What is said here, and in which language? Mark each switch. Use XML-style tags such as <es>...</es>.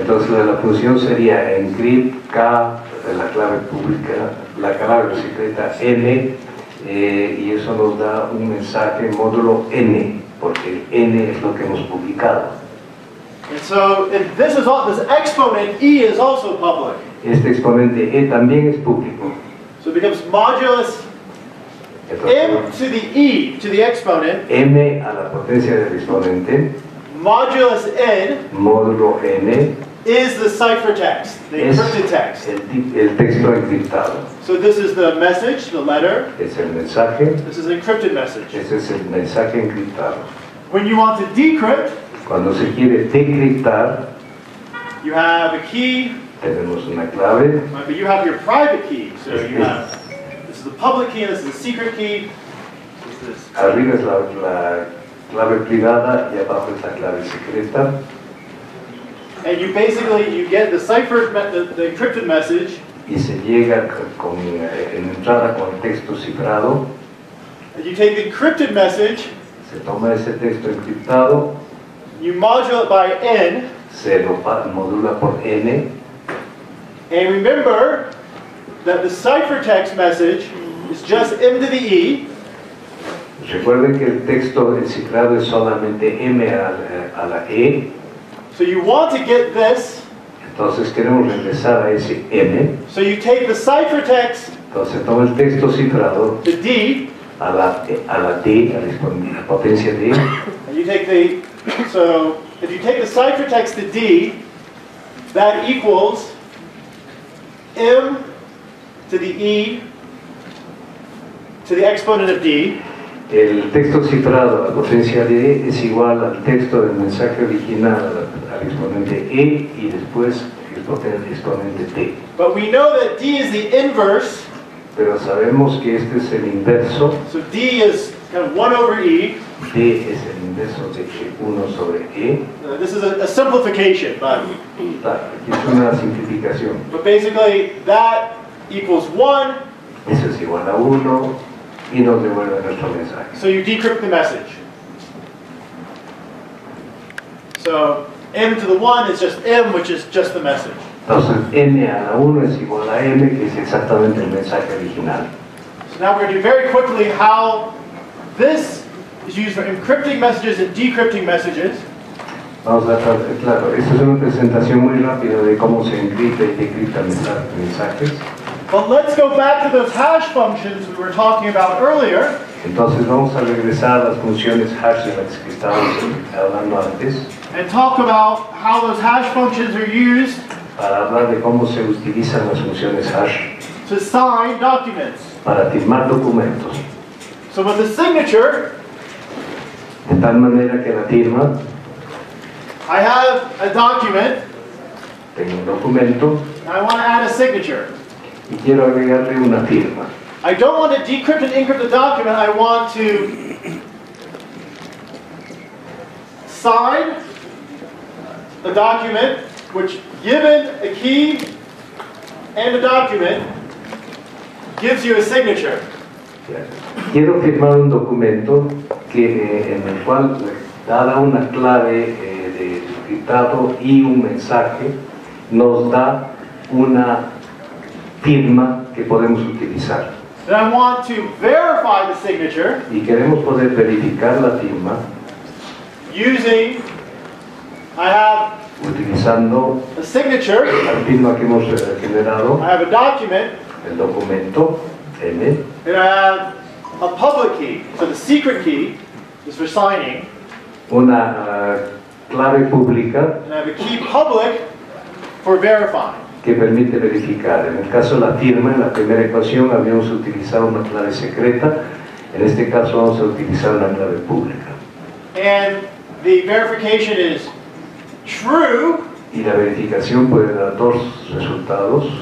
<es>Entonces la función sería encrypt K, la clave pública, la clave secreta N, y eso nos da un mensaje módulo N, porque N es lo que hemos publicado.</es> <en>And so if this is all, this exponent E is also public.</en> <es>Este exponente E también es público.</es> <en>So it becomes modulus M to the E, to the exponent.</en> <es>M a la potencia del exponente.</es> <en>Modulus N.</en> <es>Módulo N.</es> <en>Is the ciphertext, the encrypted text.</en> <es>El texto encriptado.</es> <en>So this is the message, the letter.</en> <es>Es el mensaje.</es> <en>This is an encrypted message.</en> <es>Ese es el mensaje encriptado.</es> <en>When you want to decrypt.</en> <es>Cuando se quiere decriptar,</es> <en>you have a key.</en> <es>Tenemos una clave.</es> <en>Right, but you have your private key. So you have, this is the public key, this is the secret key.</en> <es>Arriba es la clave privada y abajo es la clave secreta.</es> <en>And you basically, you get the cipher, the encrypted message.</en> <es>Y se llega con entrada con texto cifrado.</es> <en>And you take the encrypted message.</en> <es>Se toma ese texto encriptado.</es> <en>You modulate by N.</en> <es>Se lo modula por N.</es> <en>And remember that the ciphertext message is just M to the E.</en> <es>Recuerden que el texto encifrado es solamente M a la E.</es> <en>So you want to get this.</en> <es>Entonces queremos regresar a ese N.</es> <en>So you take the ciphertext.</en> <es>Entonces toma el texto cifrado.</es> <en>The D.</en> <es>A la potencia D.</es> <en>And you take the... So, if you take the ciphertext to D, that equals M to the E to the exponent of D.</en> <es>El texto cifrado a potencia D es igual al texto del mensaje original al exponente E y después el exponente D.</es> <en>But we know that D is the inverse.</en> <es>Pero sabemos que este es el inverso.</es> <en>So D is kind of 1 over E.</en> <es>D es el inverso de 1 sobre E.</es> <en>This is a simplification,</en> <es>but es una simplificación.</es> <en>But basically, that equals 1.</en> <es>Eso es igual a 1, y nos devuelve nuestro mensaje.</es> <en>So you decrypt the message. So M to the 1 is just M, which is just the message.</en> <es>Entonces N a la 1 es igual a M, que es exactamente el mensaje original.</es> <en>So now we're going to do very quickly how this is used for encrypting messages and decrypting messages.</en> <es>Vamos a tratar, claro, esto es una presentación muy rápida de cómo se encripta y decripta mensajes.</es> <en>But let's go back to those hash functions we were talking about earlier.</en> <es>Entonces vamos a regresar a las funciones hash de las que estábamos hablando antes.</es> <en>And talk about how those hash functions are used.</en> <es>Para hablar de cómo se utilizan las funciones hash.</es> <en>To sign documents.</en> <es>Para firmar documentos.</es> <en>So with the signature.</en> <es>De tal manera que la firma.</es> <en>I have a document.</en> <es>Tengo un documento.</es> <en>And I want to add a signature.</en> <es>Y quiero agregarle una firma.</es> <en>I don't want to decrypt and encrypt the document. I want to sign the document, which given a key and a document gives you a signature.</en> <es>Quiero firmar un documento que en el cual dada una clave de encriptado y un mensaje nos da una firma que podemos utilizar.</es> <en>And I want to verify the signature.</en> <es>Y queremos poder verificar la firma.</es> <en>Using, I have.</en> <es>Utilizando.</es> <en>A signature.</en> <es>La firma que hemos generado.</es> <en>I have a document.</en> <es>El documento. M.</es> <en>And I have a public key. So the secret key is for signing.</en> <es>Una clave pública.</es> <en>And I have a key public for verifying.</en> <es>Que permite verificar. En el caso de la firma, en la primera ecuación habíamos utilizado una clave secreta. En este caso vamos a utilizar una clave pública.</es> <en>And the verification is true.</en> <es>Y la verificación puede dar dos resultados.</es>